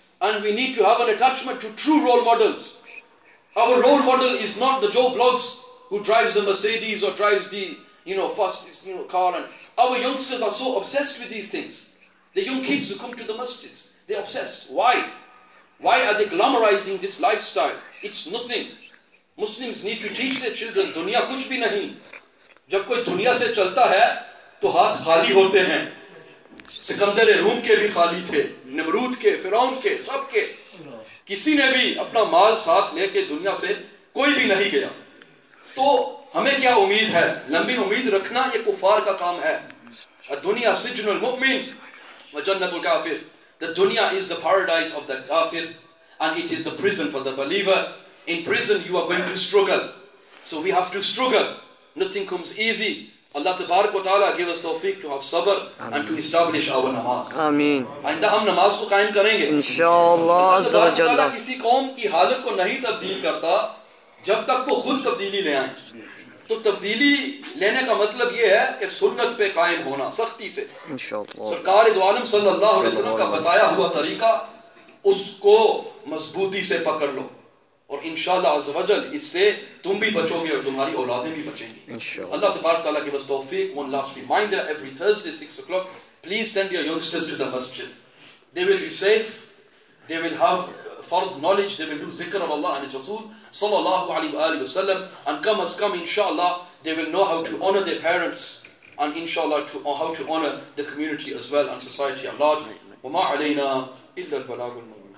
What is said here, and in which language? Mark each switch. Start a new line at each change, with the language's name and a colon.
English: And we need to have an attachment to true role models. Our role model is not the Joe Bloggs who drives the Mercedes or drives the, you know, fastest, you know, car. And our youngsters are so obsessed with these things. The young kids who come to the masjids, they're obsessed. Why? Why are they glamorizing this lifestyle? It's nothing. Muslims need to teach their children,
Urdu: دنیا کچھ بھی نہیں. جب کوئی دنیا سے چلتا ہے, تو ہاتھ خالی ہوتے ہیں. سکندر روم کے بھی خالی تھے, نمرود کے, فرعون کے, سب کے. کسی نے بھی اپنا مال ساتھ لیکے دنیا سے کوئی بھی نہیں گیا. تو ہمے کیا امید ہے? لمبی امید رکھنا یہ کفر کا کام ہے.
Arabic: Ad-dunya sijnul mu'min wa jannatul kafir.
English: The dunya is the paradise of the kafir and it is the prison for the believer. In prison you are going to struggle. So we have to struggle. Nothing comes easy. Allah tabarak wa ta'ala give us tawfiq to have sabr and to establish our namaz. Ameen.
Urdu: آئندہ ہم نماز کو قائم کریں گے. Inshallah. اللہ تبارک و تعالیٰ کسی قوم کی حالت کو نہیں تبدیل کرتا جب تک وہ خود تبدیلی لے آئے. تو تبدیلی لینے کا مطلب یہ ہے کے سنت پے قائم ہونا سختی سے. Inshallah. سرکارِ عالم صلی اللہ علیہ وسلم کا بتایا ہوا طریقہ اسکو مضبوطی سے پکڑ لو. اور انشاءاللہ عزوجل اسسے تم بھی بچوگے اور تمہاری اولادیں بھی بچیں گی. Inshallah. اللہ تبارک تعالیٰ کی بس توفیق.
English: One last reminder, every Thursday 6 o'clock, please send your youngsters to the masjid. They will be safe. They will have farz knowledge. They will do zikr of Allah and his rasool sallallahu alaihi wa sallam, and come inshallah they will know how to honor their parents. and inshallah to how to honor the community as well and society at large.
Arabic: وما علينا إلا البلاغ المبين.